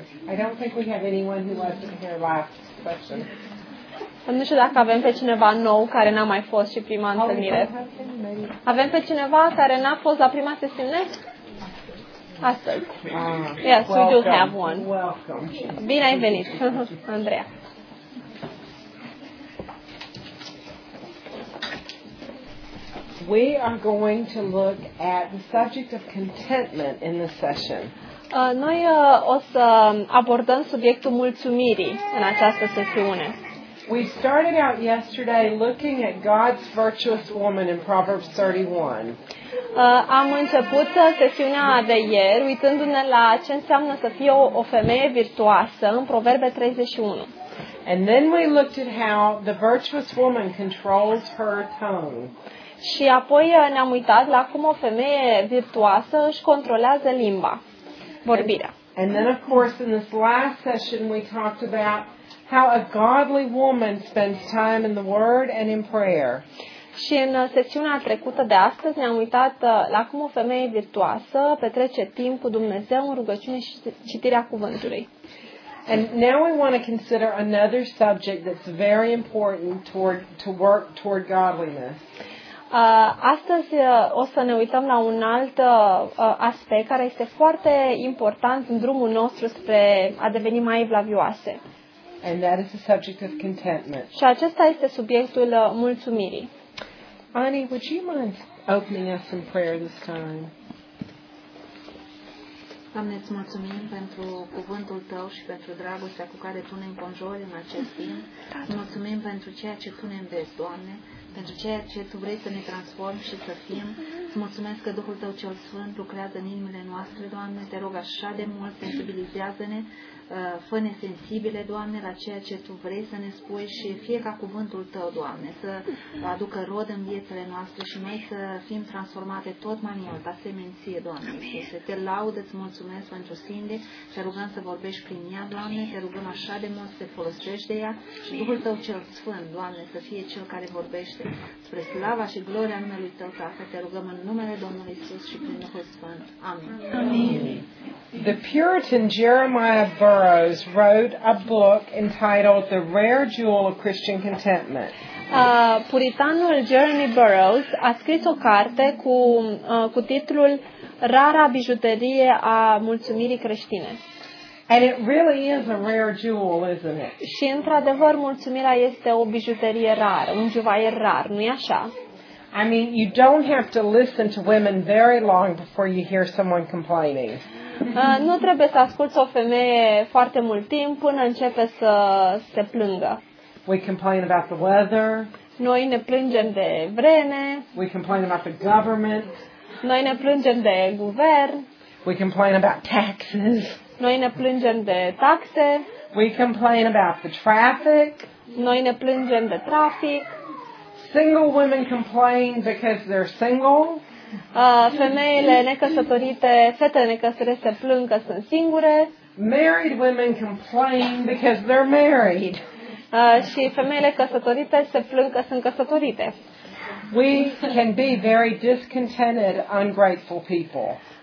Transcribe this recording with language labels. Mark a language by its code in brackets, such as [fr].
[en] I don't think we have anyone who wasn't here last session. [ro] Nu știu dacă avem pe cineva nou care n-a mai fost și prima întâlnire. Avem pe cineva care n-a fost la prima sesiune? Astăzi. [en] Yes, welcome. We do have one. Welcome. [ro] Bine ai venit, Andreea. [en] We are going to look at the subject of contentment in this session. [ro] Noi o să abordăm subiectul mulțumirii în această sesiune. [en] We started out yesterday looking at God's virtuous woman in Proverbs 31. [ro] Am început sesiunea de ieri uitându-ne la ce înseamnă să fie o femeie virtuoasă în Proverbe 31. [en] And then we looked at how the virtuous woman controls her tongue. [ro] Și apoi ne-am uitat la cum o femeie virtuoasă își controlează limba, vorbirea. [en] And then of course in this last session we talked about how a godly woman spends time in the word and in prayer. [ro] Și în sesiunea trecută de astăzi ne-am uitat la cum o femeie virtuoasă petrece timp cu Dumnezeu în rugăciune și citirea cuvântului. [en] And now we want to consider another subject that's very important toward to work toward godliness. [ro] Astăzi o să ne uităm la un alt aspect care este foarte important în drumul nostru spre a deveni mai evlavioase. [en] And that is the subject of contentment. [ro] Și acesta este subiectul mulțumirii. [en] Ani, would you mind opening us in prayer this time? [ro] Doamne, îți mulțumim pentru cuvântul tău și pentru dragostea cu care tu ne înconjori în acest timp. Îți mulțumim pentru ceea ce tu ne înveți, Doamne, pentru ceea ce tu vrei să ne transformi și să fim. Îți mulțumesc că Duhul tău cel Sfânt lucrează în inimile noastre, Doamne. Te rog așa de mult, sensibilizează-ne, fă-ne sensibile, Doamne, la ceea ce tu vrei să ne spui și fie ca cuvântul tău, Doamne, să aducă rod în viețile noastre și noi să fim transformate tot mai mult, asemenție, Doamne. Iisuse, te laud, îți mulțumesc pentru Cindy, te rugăm să vorbești prin ea, Doamne, te rugăm așa de mult să te folosești de ea și Duhul tău cel Sfânt, Doamne, să fie cel care vorbește spre slava și gloria numelui tău, Tată, te rugăm în numele Domnului Iisus și prin Duhul Sfânt. Amin. Amin. [en] The Puritan Jeremiah Burroughs wrote a book entitled The Rare Jewel of Christian Contentment. [ro] Puritanul Jeremy Burroughs a scris o carte cu titlul Rara bijuterie a mulțumirii creștine. [en] And it really is a rare jewel, isn't it? [ro] Și într-adevăr, mulțumirea este o bijuterie rară, un juvaier rar, nu-i așa? [en] I mean, you don't have to listen to women very long before you hear someone complaining. [ro] Nu trebuie să asculți o femeie foarte mult timp până începe să se plângă. [en] We complain about the weather. [ro] Noi ne plângem de vreme. [en] We complain about the government. [ro] Noi ne plângem de guvern. [en] We complain about taxes. [ro] Noi ne plângem de taxe. [en] We complain about the traffic. [ro] Noi ne plângem de trafic. [en] Single women complain because they're single. [ro] Femeile necăsătorite, fetele necăsătorite se plâng că sunt singure. [en] Married women complain because they're married. [ro] Și femeile căsătorite se plâng că sunt căsătorite. [en] We can be very discontented, ungrateful people.